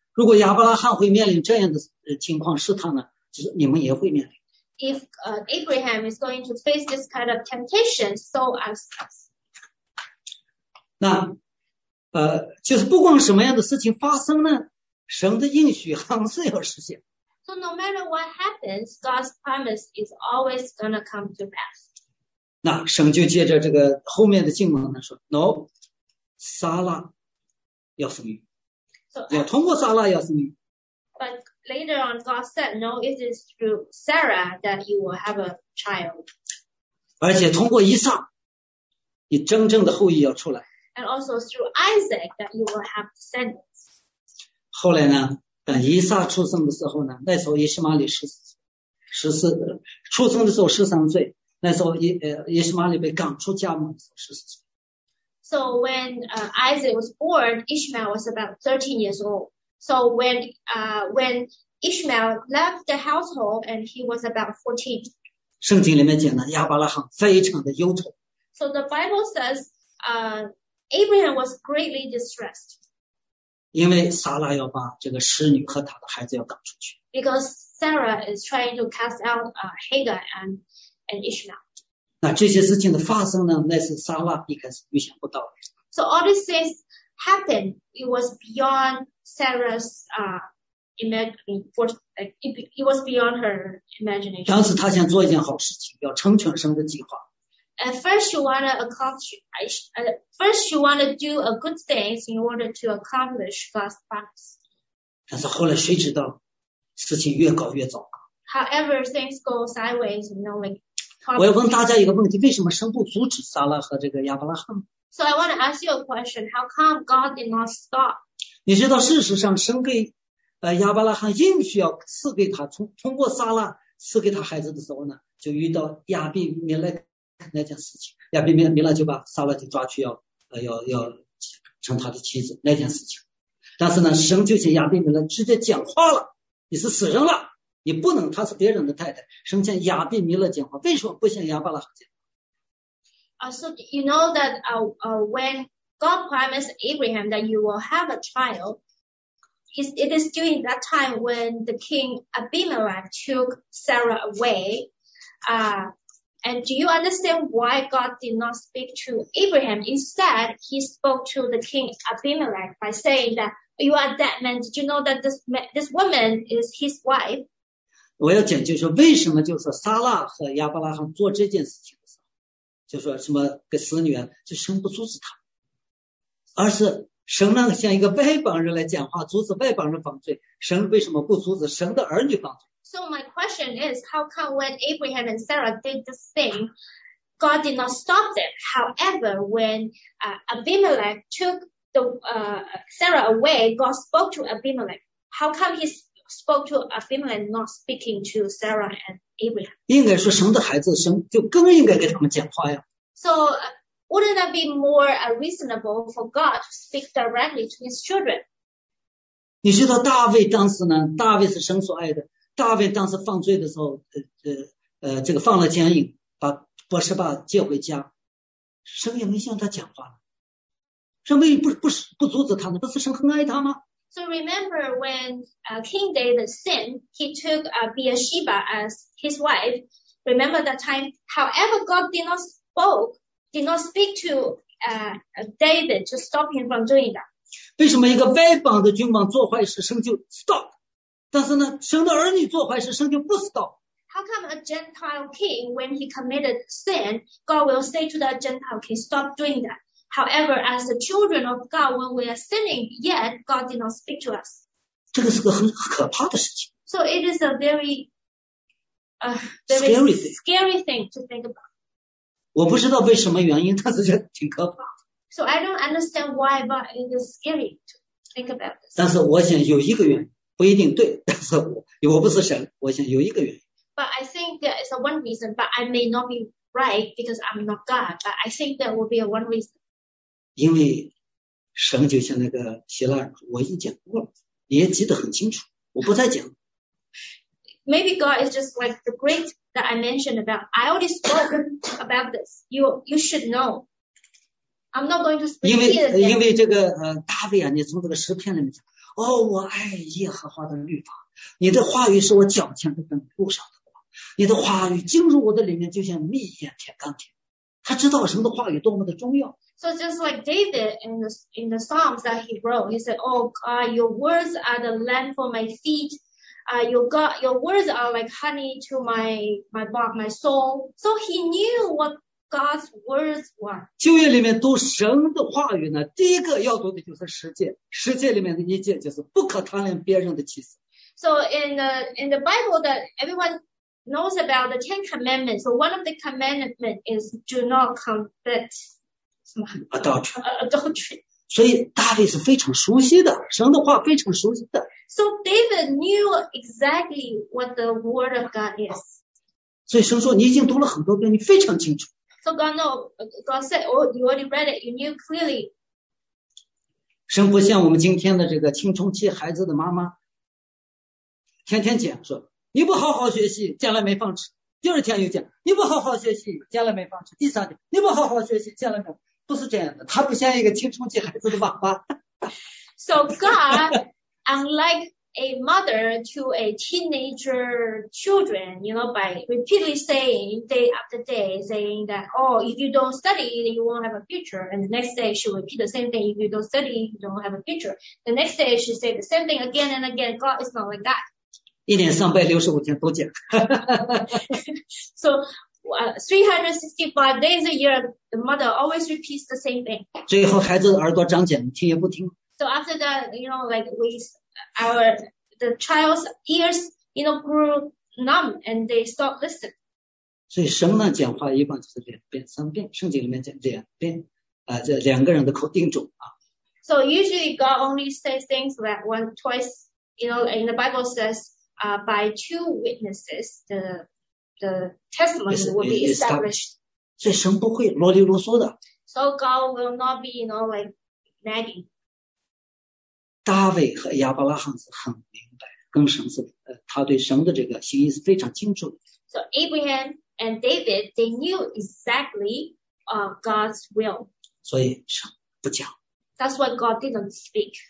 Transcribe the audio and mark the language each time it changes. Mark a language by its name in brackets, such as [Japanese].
[Chinese] 如果亚伯拉罕会面临这样的情况试探呢，就是你们也会面临。 [English] If Abraham is going to face this kind of temptation, so us. [Chinese] 那就是不管什么样的事情发生呢？神的应许还是要实现。 [English] So no matter what happens, God's promise is always gonna come to pass. [Chinese] 那神就接着这个后面的经文呢说 ， [English] No, [Chinese] 撒拉要生育，要通过撒拉要生育。 [English] But later on, God said, "No, it is through Sarah that you will have a child." [Chinese] 而且通过以撒，你真正的后裔要出来。 [English] And also through Isaac that you will have descendants. [Chinese] 后来呢？等以撒出生的时候呢？那时候以实玛利十四出生的时候13岁，那时候以实玛利被赶出家门的时候14岁。 [English] So when Isaac was born, Ishmael was about 13 years old. So when Ishmael left the household and he was about 14. [Chinese] 圣经里面讲呢，亚伯拉罕非常的忧愁。 [English] So the Bible says, Abraham was greatly distressed. [Chinese] 因为撒拉要把这个使女和他的孩子要赶出去。 [English] Because Sarah is trying to cast out Hagar and Ishmael. [Chinese] 那这些事情的发生呢，那是撒拉一开始预想不到的。 [English] So all these things happened. It was beyond Sarah's it was beyond her imagination. [Chinese] 当时她想做一件好事情，要成全神的计划。 [English] At first, she wanted to accomplish. First, she wanted to do a good things in order to accomplish God's promise. [Chinese] 但是后来谁知道，事情越搞越糟糕。 [English] However, things go sideways, you know, like. [Chinese] 我要问大家一个问题：为什么神不阻止撒拉和这个亚伯拉罕 [English] ？So I want to ask you a question: How come God did not stop? [Chinese] 你知道，事实上，神给亚伯拉罕应许要赐给他，通过撒拉赐给他孩子的时候呢，就遇到亚比米勒。那件事情，亚比米勒就把撒拉就抓去要成他的妻子那件事情，但是呢，神就请亚比米勒直接讲话了，你是死人了，你不能，他是别人的太太。神向亚比米勒讲话，为什么不向亚伯拉罕讲？ [English] So you know that when God promised Abraham that you will have a child, it is during that time when the king Abimelech took Sarah away. And do you understand why God did not speak to Abraham? Instead, he spoke to the king Abimelech by saying that, you are that man. Did you know that this woman is his wife? [Chinese] 我要讲就是为什么就是撒拉和亚伯拉罕做这件事情的时候，就说什么给死女儿就生不阻止他，而是神呢像一个外邦人来讲话，阻止外邦人犯罪，神为什么不阻止神的儿女犯罪？ [English] So my question is, how come when Abraham and Sarah did the thing, God did not stop them? However, when Abimelech took Sarah away, God spoke to Abimelech. How come he spoke to Abimelech, not speaking to Sarah and Abraham? [Chinese] 应该说神的孩子，神就更应该给他们讲话呀。 [English] So, wouldn't that be more reasonable for God to speak directly to his children? [Chinese] 你知道大卫当时呢，大卫是神所爱的，大卫当时犯罪的时候，这个犯了奸淫，把伯士巴接回家，神也没向他讲话了。神为不阻止他呢？不是神很爱他吗？ [English] So remember when King David sinned, he took Beersheba as his wife. Remember that time? However, God did not speak to David to stop him from doing that. [Chinese] 为什么一个外邦的君王做坏事，神就 [English] stop？ [Chinese] 但是呢，神的儿女做坏事，神就不 [English] stop。 How come a Gentile king, when he committed sin, God will say to that Gentile king, stop doing that？ However, as the children of God, when we are sinning, yet God did not speak to us. [Chinese] 这个是个很可怕的事情。 [English] So it is a very scary thing to think about. [Chinese] 我不知道为什么原因，但是觉得挺可怕。 [English] So I don't understand why, but it is scary to think about this. [Chinese] 但是我想有一个原因，不一定对，但是我不是神，我想有一个原因。 [English] But I think there is a one reason, but I may not be right because I'm not God, but I think there will be a one reason. [Chinese] 因为神就像那个希腊人，我已经讲过了，你也记得很清楚，我不再讲。 [English] Maybe God is just like the Greek that I mentioned about. I already spoke about this. You should know. I'm not going to speak. [Chinese] 因为这个大卫啊，你从这个诗篇里面讲，哦，我爱耶和华的律法，你的话语是我脚前的灯，路上的光，你的话语进入我的里面，就像蜜一样甜甘甜。他知道神的话语多么的重要。 [English] So just like David in the Psalms that he wrote, he said, "Oh God, your words are the lamp for my feet. Your words are like honey to my body, my soul." So he knew what God's words were. [Chinese] 旧约里面读神的话语呢，第一个要读的就是十诫。十诫里面的一诫就是不可贪恋别人的妻子。 [English] So in the Bible that everyone knows about the Ten Commandments, so one of the commandments is do not covet. Adultery. [Chinese] 所以大卫是非常熟悉的，神的话非常熟悉的。 [English] So David knew exactly what the word of God is. [Chinese] 所以神说，你已经读了很多遍，你非常清楚。 [English] So God said, oh, you already read it, you knew clearly. [Chinese] 神不像我们今天的这个青春期孩子的妈妈，天天讲说，你不好好学习，将来没饭吃。第二天又讲，你不好好学习，将来没饭吃。第三天，你不好好学习，将来没饭吃。不是这样的，他不像一个青春期孩子的爸爸。 [English] So God, unlike a mother to a teenager children, you know, by repeatedly saying day after day, saying that, oh, if you don't study, then you won't have a future. And the next day, she repeat the same thing. If you don't study, you don't have a future. The next day, she say the same thing again and again. God is not like that. [Chinese] 一年365天都讲。 [English] So. 365 days a year, the mother always repeats the same thing. [Chinese] 最后孩子耳朵长茧，听也不听。 [English] So after that, you know, like the child's ears, you know, grew numb and they stopped listening. [Chinese] 所以神呢讲话一般就是两遍、三遍，圣经里面讲两遍，这两个人的口定准啊。 [English] So usually God only says things that one twice, you know, in the Bible says, by two witnesses, the testimony will be established. [Chinese] 所以神不会啰里啰嗦的。 [English] So God will not be, you know, like nagging. [Chinese] 大卫和亚伯拉罕是很明白，跟神是，他对神的这个心意是非常清楚的。 [English] So Abraham and David, they knew exactly, God's will. [Chinese] 所以神不讲。 [English] That's why God didn't speak.